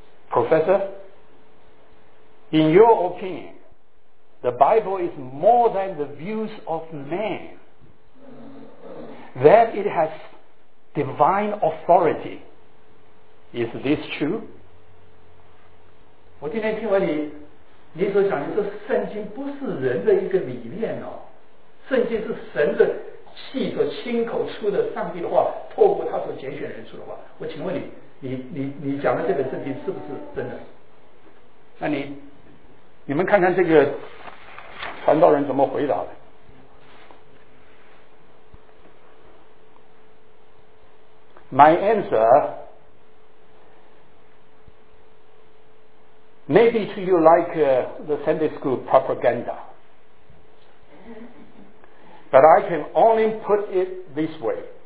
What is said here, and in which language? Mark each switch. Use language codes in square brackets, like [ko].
[en] professor, in your opinion, the Bible is more than the views of man, that it has divine authority. Is this true? [zh] 我今天听完你，你所讲的说圣经不是人的一个理念哦，圣经是神的气所亲口出的，上帝的话透过他所拣选人出的话。我请问你，你讲的这本圣经是不是真的？那你们看看这个传道人怎么回答的。 [en] My answer may be to you like the Sunday school propaganda, but I can only put it this way.